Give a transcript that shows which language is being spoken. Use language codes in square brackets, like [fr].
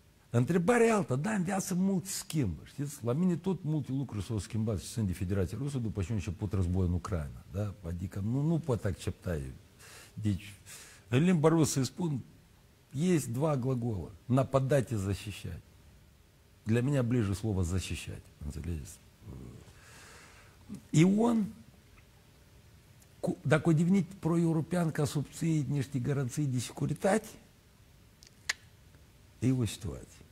[ro] Întrebarea e altă, da, în viață mult schimbă, știți? La mine tot multe lucruri s-au schimbat și sunt de Federația Rusă după ce a început războiul în Ucraina, da? Adică nu pot accepta. Deci, în limba rusă îi spun, [ru] есть два глагола, нападать и защищать. Для меня ближе слово защищать, понимаете? И он, [ro] dacă o devenit pro-european ca să obții niște garanții de securitate, e o situație.